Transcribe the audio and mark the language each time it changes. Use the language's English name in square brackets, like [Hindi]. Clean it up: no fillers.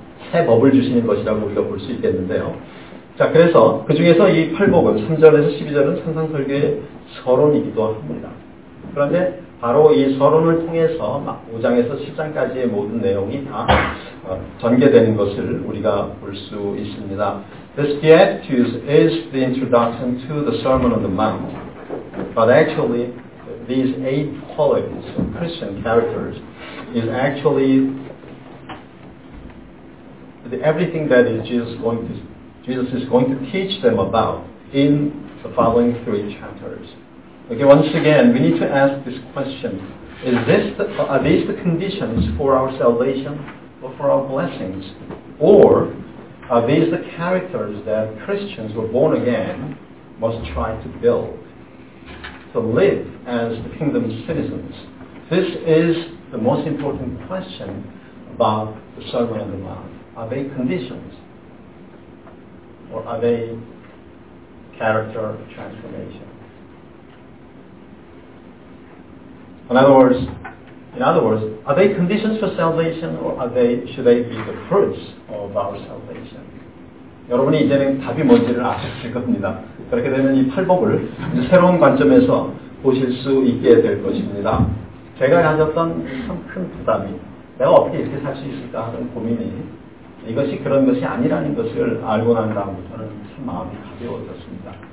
[Korean] 새 법을 주시는 것이라고 우리가 볼 수 있겠는데요. 자, 그래서 그 중에서 이 팔복은 3절에서 12절은 산상설교의 서론이기도 합니다. 그런데 바로 이 서론을 통해서 5장에서 10장까지의 모든 내용이 다 전개되는 것을 우리가 볼 수 있습니다. [English] This Beatitude is the introduction to the Sermon on the Mount. But actually, these eight qualities of Christian characters is actually everything that is Jesus is going to teach them about in the following three chapters. Okay, once again, we need to ask this question. Are these the conditions for our salvation or for our blessings? Or are these the characters that Christians who are born again must try to build to live as the kingdom's citizens? This is the most important question about the Sermon on the Mount. Are they conditions? Or are they character transformation? In other words, are they conditions for salvation or should they be the fruits of our salvation? [Korean] 여러분이 이제는 답이 뭔지를 아실 겁니다. 그렇게 되면 이 팔복을 이제 새로운 관점에서 보실 수 있게 될 것입니다. 제가 가졌던 참 큰 부담이 내가 어떻게 이렇게 살 수 있을까 하는 고민이 이것이 그런 것이 아니라는 것을 알고 난 다음부터는 참 마음이 가벼워졌습니다.